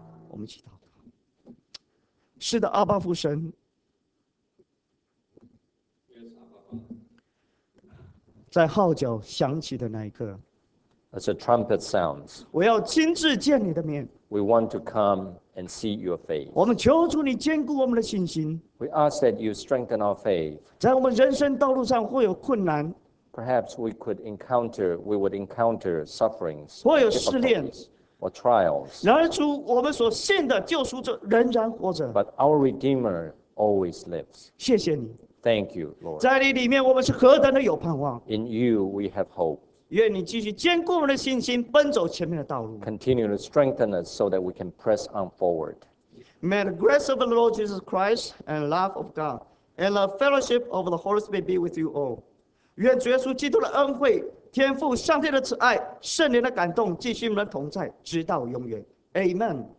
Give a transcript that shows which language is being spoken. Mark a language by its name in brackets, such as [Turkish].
[Chinese] 我们祈祷。是的，阿爸父神，在号角响起的那一刻 [English] ，As a trumpet sounds， [Chinese] 我要亲自见你的面。 [English] We want to come and see your face。 [Chinese] 我们求主你坚固我们的信心。 [English] We ask that you strengthen our faith。 [Chinese] 在我们人生道路上会有困难 [English] ，Perhaps we would encounter sufferings， [Chinese] 会有试炼 [English] ，or trials。 [Chinese] 然而主，我们所信的救赎者仍然活着 [English] ，But our Redeemer always lives。 [Chinese] 谢谢你。 [English] Thank you, Lord. [Chinese] 在你里面，我们是何等的有盼望。 [English] In you, we have hope. [Chinese] 愿你继续坚固我们的信心，奔走前面的道路。 [English] Continue to strengthen us so that we can press on forward. May the grace of the Lord Jesus Christ and love of God and the fellowship of the Holy Spirit be with you all. [Chinese] 愿主耶稣基督的恩惠、天父上帝的慈爱、圣灵的感动继续与我们同在，直到永远。Amen.